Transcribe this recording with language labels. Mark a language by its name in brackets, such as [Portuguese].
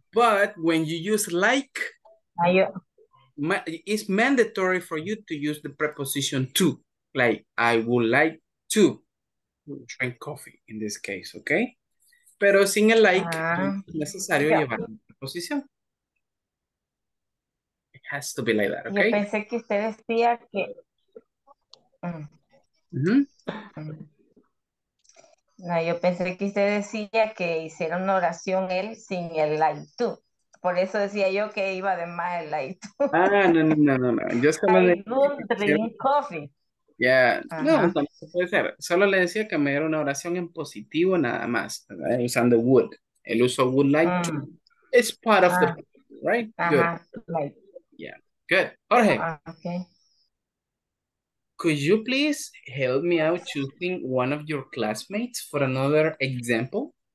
[English] But when you use like, it's mandatory for you to use the preposition to. Like, I would like to drink coffee in this case, okay? [Spanish] Pero sin el like, no es necesario llevar la preposición. [English] Has to be like that, okay? [Spanish] Yo pensé que usted decía que... No, yo pensé que usted decía que hiciera una oración él sin el like to. Por eso decía yo que iba de más el like to. [English] No. Just I would drink coffee. [Spanish] Ya, yeah. No, no puede ser. Solo le decía que me diera una oración en positivo nada más, ¿verdad? Usando would. [English] El uso would like to is part of the right? Ajá. Good. Like. Yeah. Good. Jorge. Okay. Could you please help me out choosing one of your classmates for another example?